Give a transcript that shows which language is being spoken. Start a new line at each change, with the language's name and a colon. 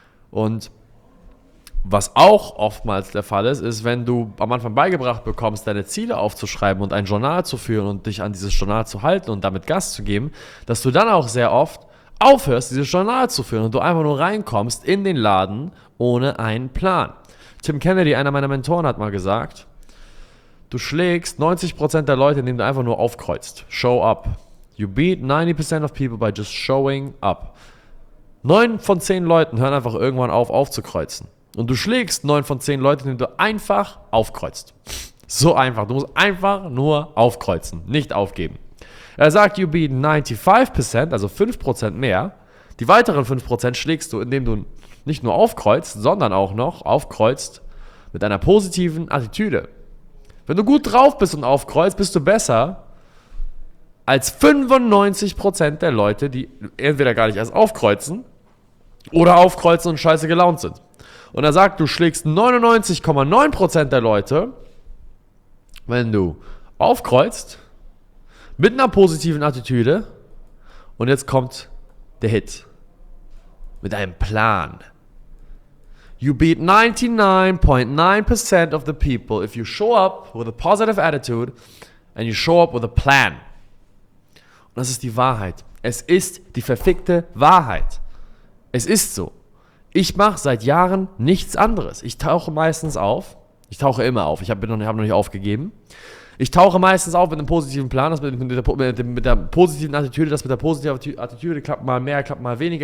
German: Und was auch oftmals der Fall ist, ist, wenn du am Anfang beigebracht bekommst, deine Ziele aufzuschreiben und ein Journal zu führen und dich an dieses Journal zu halten und damit Gas zu geben, dass du dann auch sehr oft aufhörst, dieses Journal zu führen und du einfach nur reinkommst in den Laden ohne einen Plan. Tim Kennedy, einer meiner Mentoren, hat mal gesagt, du schlägst 90% der Leute, indem du einfach nur aufkreuzt.
English: Show up. You beat 90% of people by just showing up.
German: 9 von 10 Leuten hören einfach irgendwann auf, aufzukreuzen. Und du schlägst 9 von 10 Leuten, indem du einfach aufkreuzt. So einfach. Du musst einfach nur aufkreuzen, nicht aufgeben. Er sagt,
English: you beat 95%,
German: also 5% mehr. Die weiteren 5% schlägst du, indem du nicht nur aufkreuzt, sondern auch noch aufkreuzt mit einer positiven Attitüde. Wenn du gut drauf bist und aufkreuzt, bist du besser als 95% der Leute, die entweder gar nicht erst aufkreuzen oder aufkreuzen und scheiße gelaunt sind. Und er sagt, du schlägst 99,9% der Leute, wenn du aufkreuzt mit einer positiven Attitüde, und jetzt kommt der Hit mit einem Plan.
English: You beat 99.9% of the people if you show up with a positive attitude and you show up with a plan.
German: Und das ist die Wahrheit. Es ist die verfickte Wahrheit. Es ist so. Ich mache seit Jahren nichts anderes. Ich tauche meistens auf. Ich tauche immer auf. Ich habe noch nicht aufgegeben. Ich tauche meistens auf mit einem positiven Plan, das mit der positiven Attitüde, das mit der positiven Attitüde klappt mal mehr, klappt mal weniger.